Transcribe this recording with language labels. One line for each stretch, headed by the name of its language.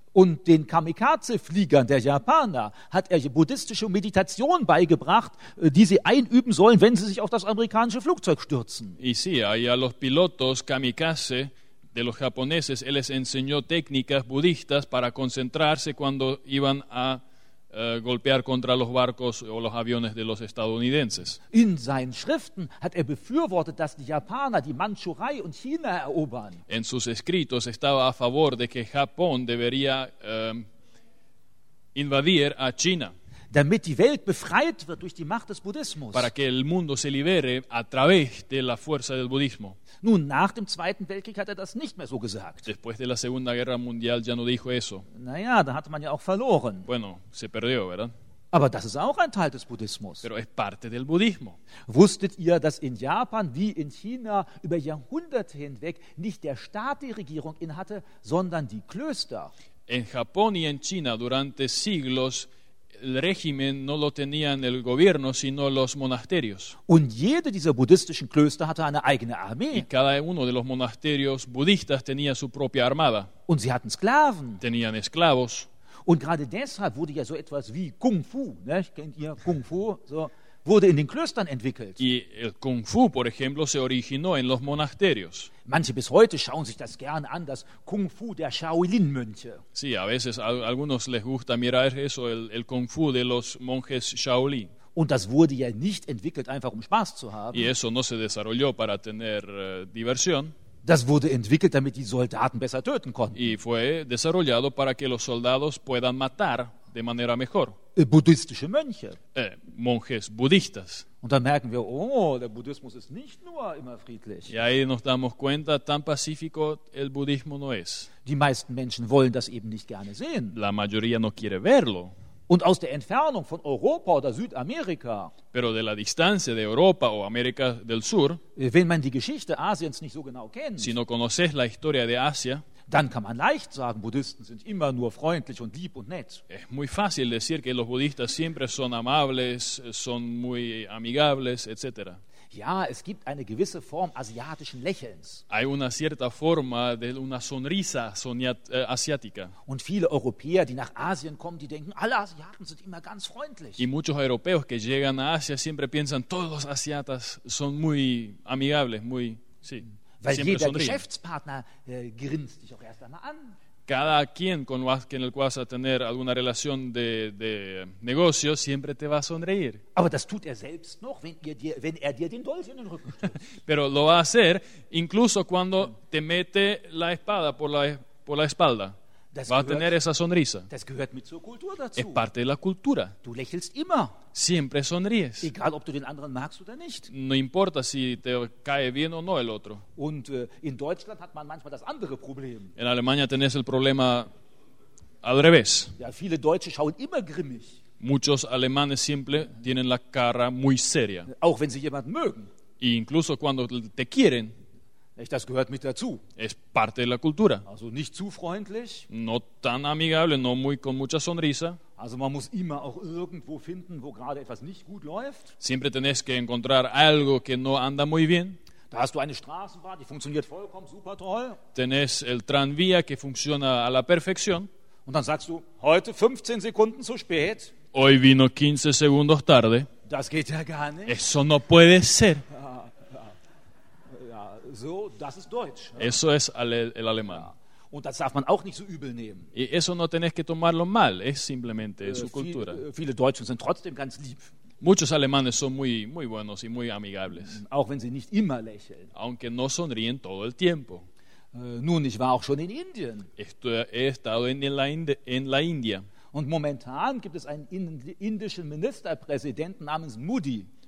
German: Und den Kamikaze-Fliegern der Japaner hat er buddhistische Meditation beigebracht, die sie einüben sollen, wenn sie sich auf das amerikanische Flugzeug stürzen.
Spanish: Y sí, a los pilotos kamikaze de los japoneses, él les enseñó técnicas budistas para concentrarse cuando iban a golpear contra los barcos o los aviones de los estadounidenses.
German: In seinen Schriften hat er befürwortet, dass die Japaner die Mandschurei und China erobern.
Spanish: En sus escritos estaba a favor de que Japón debería invadir a China.
German: Damit die Welt befreit wird durch die Macht des Buddhismus.
Spanish: Para que el mundo se libere a través de la fuerza del budismo.
German: Nun, nach dem Zweiten Weltkrieg hat er das nicht mehr so gesagt.
Spanish: Después de la Segunda Guerra Mundial ya no dijo eso.
German: Naja, da hat man ja auch verloren.
Spanish: Bueno, se perdió, ¿verdad?
German: Aber das ist auch ein Teil des Buddhismus.
Spanish: Pero es parte del budismo.
German: Wusstet ihr, dass in Japan wie in China über Jahrhunderte hinweg nicht der Staat die Regierung innehatte, sondern die Klöster?
Spanish: En Japón y en China durante siglos el régimen no lo tenían el gobierno, sino los monasterios.
German: Und jede dieser buddhistischen Klöster hatte eine eigene Armee.
Spanish: Y cada uno de los monasterios budistas tenía su propia armada.
German: Und sie hatten Sklaven.
Spanish: Tenían esclavos.
German: Und gerade deshalb wurde ja so etwas wie Kung Fu, ne? Kennt ihr Kung Fu? So, wurde in den Klöstern entwickelt.
Spanish: Y el Kung Fu, por ejemplo, se originó en los monasterios.
German: Manche bis heute schauen sich das gern an, das Kung Fu der Shaolin-Mönche.
Spanish: Sí, a veces a algunos les gusta mirar eso, el Kung Fu de los monjes Shaolin.
German: Und das wurde ja nicht entwickelt, einfach um Spaß zu haben.
Spanish: Y eso no se desarrolló para tener diversión.
German: Das wurde entwickelt, damit die Soldaten besser töten konnten.
Spanish: Y fue desarrollado para que los soldados puedan matar de manera mejor.
German: Buddhistische Mönche.
Spanish: Monjes budistas.
German: Und dann merken wir, oh, der Buddhismus ist nicht nur immer friedlich.
Spanish: Y ahí nos damos cuenta, tan pacífico el budismo no es.
German: Die meisten Menschen wollen das eben nicht gerne sehen.
Spanish: La mayoría no quiere verlo.
German: Und aus der Entfernung von Europa oder Südamerika.
Spanish: Pero de la distancia de Europa o América del Sur.
German: Wenn man die Geschichte Asiens nicht so genau kennt.
Spanish: Si no conoces la historia de Asia.
German: Dann kann man leicht sagen, Buddhisten sind immer nur freundlich und lieb und nett.
Spanish: Es muy fácil decir que los budistas siempre son amables, son muy amigables, etc.
German: Ja, es gibt eine gewisse Form asiatischen Lächelns.
Spanish: Hay una cierta forma de una sonrisa asiática.
German: Und viele Europäer, die nach Asien kommen, die denken, alle Asiaten sind immer ganz freundlich.
Spanish: Y muchos europeos que llegan a Asia siempre piensan, todos los asiatas son muy amigables, muy, sí.
German: Weil jeder sonríe. Geschäftspartner grinst dich auch erst einmal an.
Spanish: Cada quien con el cual vas a tener alguna relación de negocio siempre te va a sonreír.
German: Aber das tut selbst noch, wenn er dir den Dolch in den Rücken stößt.
Spanish: Pero lo va a hacer incluso cuando te mete la espada por la espalda.
German: Das
Spanish: va a tener esa sonrisa.
German: Das gehört mit zur Kultur dazu.
Spanish: Es parte de la cultura.
German: Du lächelst immer.
Spanish: Siempre sonríes.
German: Egal, ob du den anderen magst oder nicht.
Spanish: No importa si te cae bien o no el otro.
German: Und in Deutschland hat man manchmal das andere Problem.
Spanish: En Alemania tenés el problema al revés.
German: Ja, viele Deutsche schauen immer grimmig.
Spanish: Muchos alemanes siempre tienen la cara muy seria.
German: Auch wenn sie jemanden mögen.
Spanish: Y incluso cuando te quieren.
German: Das gehört mit dazu.
Spanish: Es parte de la cultura.
German: Also nicht zu freundlich.
Spanish: No tan amigable, no muy con mucha sonrisa.
German: Also man muss immer auch irgendwo finden, wo gerade etwas nicht gut läuft.
Spanish: Siempre tenés que encontrar algo que no anda muy bien.
German: Da hast du eine Straßenbahn, die funktioniert vollkommen super toll.
Spanish: Tenés el tranvía que funciona a la perfección.
German: Und dann sagst du, heute 15 Sekunden zu spät.
Spanish: Hoy vino 15 segundos tarde.
German: Das geht ja gar nicht.
Spanish: Eso no puede ser.
German: So, das ist Deutsch.
Spanish: Eso es el alemán. Ja.
German: Und das darf man auch nicht so übel nehmen.
Spanish: Y eso no tenés que tomarlo mal, es simplemente su cultura.
German: Viele Deutschen sind trotzdem ganz lieb.
Spanish: Muchos alemanes son muy, muy buenos y muy amigables.
German: Auch wenn sie nicht immer lächeln.
Spanish: Aunque no sonríen todo el tiempo.
German: Nun, ich war auch schon in Indien.
Spanish: He estado en la India.
German: Und momentan gibt es einen indischen Ministerpräsidenten namens Modi.